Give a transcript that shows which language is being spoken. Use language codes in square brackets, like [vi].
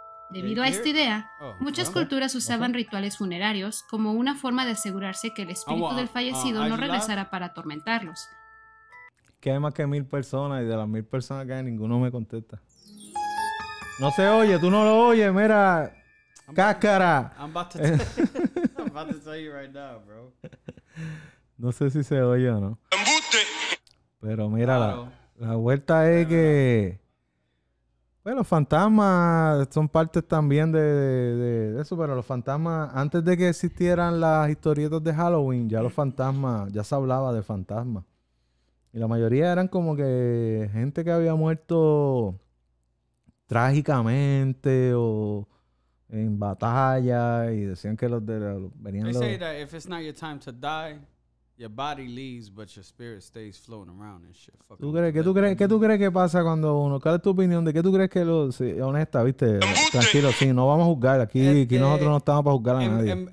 [es] Debido a esta idea, muchas culturas usaban rituales funerarios como una forma de asegurarse que el espíritu del fallecido no regresara para atormentarlos. Que hay más que 1,000 personas y de las 1,000 personas que hay, ninguno me contesta. No se oye, tú no lo oyes, mira. ¡Cáscara! [en] I'm about to tell you right now, bro. [es] No sé si se oye o no. ¡Embuste! Pero mira, la vuelta es que... Bueno, los fantasmas son parte también de eso, pero los fantasmas, antes de que existieran las historietas de Halloween, ya los fantasmas, ya se hablaba de fantasmas. Y la mayoría eran como que gente que había muerto trágicamente o en batalla, y decían que los de venían los... [en] They say that if it's not your time to die, your body leaves, but your spirit stays floating around and shit. [es] ¿Tú crees, qué tú crees que pasa cuando uno... ¿Cuál es tu opinión de qué tú crees que lo... Si, honesta, ¿viste? Tranquilo, sí, no vamos a juzgar. Aquí nosotros no estamos para juzgar a nadie.